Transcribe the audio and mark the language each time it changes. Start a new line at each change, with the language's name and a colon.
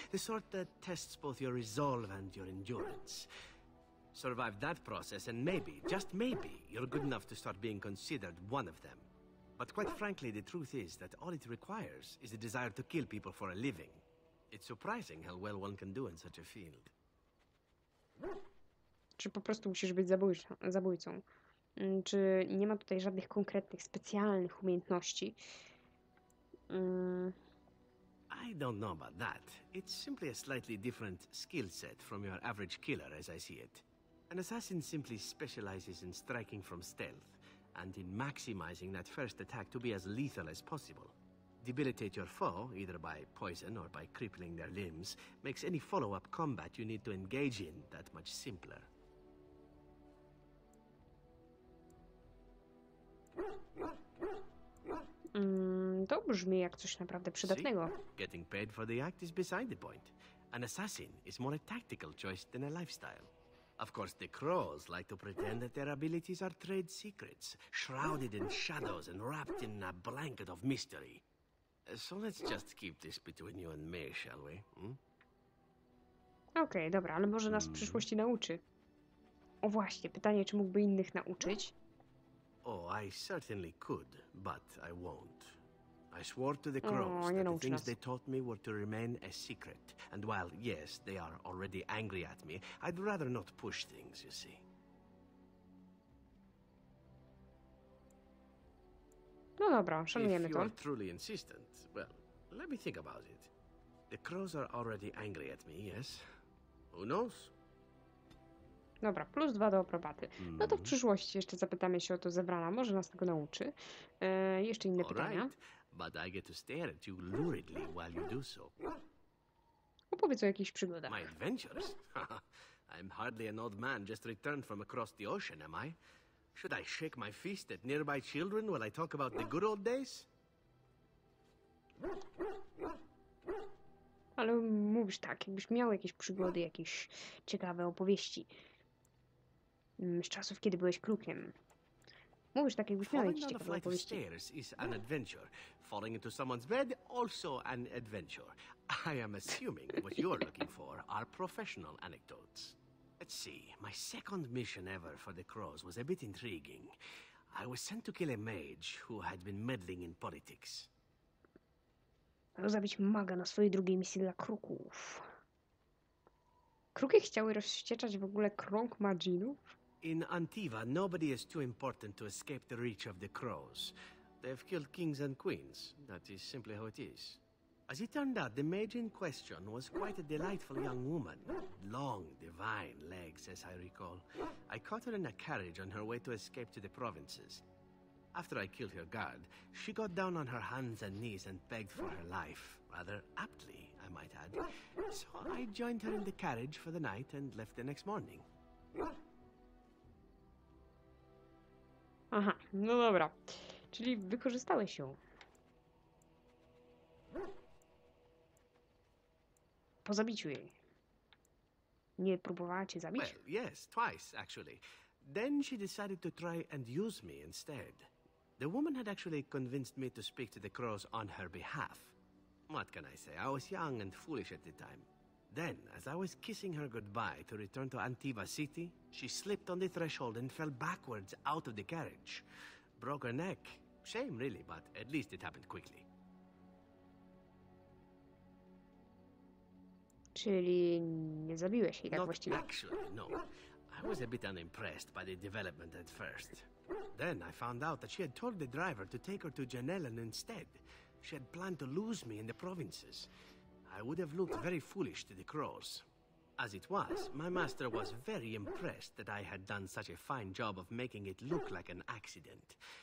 English: The sort that tests both your resolve and your endurance. Survive that process and maybe, just maybe, you're good enough to start being considered one of them. But quite frankly, the truth is that all it requires is a desire to kill people for a living. It's surprising how well one can do in such a field.
Polish: Czy po prostu musisz być zabójcą? Czy nie ma tutaj żadnych konkretnych, specjalnych umiejętności?
English: I don't know about that. It's simply a slightly different skill set from your average killer, as I see it. An assassin simply specializes in striking from stealth, and in maximizing that first attack to be as lethal as possible. Debilitate your foe, either by poison or by crippling their limbs, makes any follow-up combat you need to engage in that much simpler.
Polish: To brzmi jak coś naprawdę przydatnego.
English: See? Getting paid for the act is beside the point. An assassin is more a tactical choice than a lifestyle. Of course, the crows like to pretend that their abilities are trade secrets, shrouded in shadows and wrapped in a blanket of mystery. So let's just keep this between you and me, shall we?
Polish: Okej, dobra, ale może nas w przyszłości nauczy. O właśnie, pytanie, czy mógłby innych nauczyć?
English: Oh, I certainly could, but I won't. I swore to the crows that the things they taught me were to remain a secret. And while, yes, they are already angry at me, I'd rather not push things, you see.
Polish: No dobra, szanujemy to.
English: If you are truly insistent, well, let me think about it. The crows are already angry at me, yes? Who knows?
Polish: Dobra, plus 2 do aprobaty. No to w przyszłości jeszcze zapytamy się o to zebrana. Może nas tego nauczy. Jeszcze inne pytania.
English: But I get to stare at you luridly while you do so.
Polish: Opowiedz o jakichś przygodach.
English: My adventures? I'm hardly an old man just returned from across the ocean, am I? Should I shake my fist at nearby children while I talk about the good old days?
Polish: Ale mówisz tak, jakbyś miał jakieś przygody, jakieś ciekawe opowieści. Z czasów, kiedy byłeś krukiem. Mówisz tak, jakbyś miał jakieś ciekawe opowieści.
English: Falling down a flight of stairs is an adventure. Falling into someone's bed, also an adventure. I am assuming what you're looking for are professional anecdotes. Let's see, my second mission ever for the crows was a bit intriguing. I was sent to kill a mage who had been meddling in politics.
Polish: Zabić maga na swojej drugiej misji dla kruków. Kruki chciały rozścieczać w ogóle krąg maginów?
English: In Antiva, nobody is too important to escape the reach of the crows. They've killed kings and queens. That is simply how it is. As it turned out, the mage in question was quite a delightful young woman. Long, divine legs, as I recall. I caught her in a carriage on her way to escape to the provinces. After I killed her guard, she got down on her hands and knees and begged for her life. Rather aptly, I might add. So I joined her in the carriage for the night and left the next morning.
Polish: Aha, no dobra. Czyli wykorzystałeś ją. Po zabiciu jej. Nie próbowała cię zabić?
English: Well, yes, twice, actually. Then she decided to try and use me instead. The woman had actually convinced me to speak to the crows on her behalf. What can I say? I was young and foolish at the time. Then, as I was kissing her goodbye to return to Antiva City, she slipped on the threshold and fell backwards out of the carriage. Broke her neck. Shame, really, but at least it happened quickly.
Polish: Czyli nie zabiłeś jej tak właściwie?
English: Not actually, no. I was a bit unimpressed by the development at first. Then I found out that she had told the driver to take her to Janellan instead. She had planned to lose me in the provinces. I would have looked very foolish to the crows. As it was, my master was very impressed that I had done such a fine job of making it look like an accident.